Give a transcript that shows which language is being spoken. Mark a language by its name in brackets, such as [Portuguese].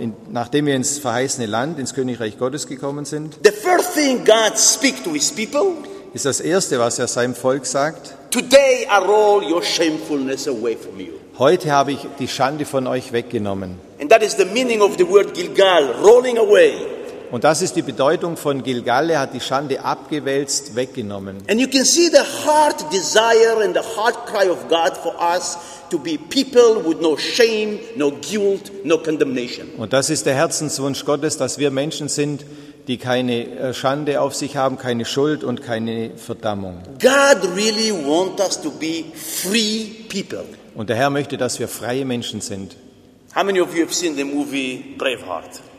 [German] nachdem wir ins verheißene Land, ins Königreich Gottes gekommen sind, [English] the first thing God speaks to his people, [German] ist das erste, was er seinem Volk sagt: [English] Today I roll your shamefulness away from you. [German] Heute habe ich die Schande von euch weggenommen. [English] And that is the meaning of the word Gilgal, rolling away. [German] Und das ist die Bedeutung von Gilgal, er hat die Schande abgewälzt, weggenommen. [English] And you can see the heart desire and the heart cry of God for us to be people with no shame, no guilt, no condemnation. [German] Und das ist der Herzenswunsch Gottes, dass wir Menschen sind, die keine Schande auf sich haben, keine Schuld und keine Verdammung. [English] God really wants us to be free people. [German] Und der Herr möchte, dass wir freie Menschen sind. [English] How many of you have seen the movie Braveheart?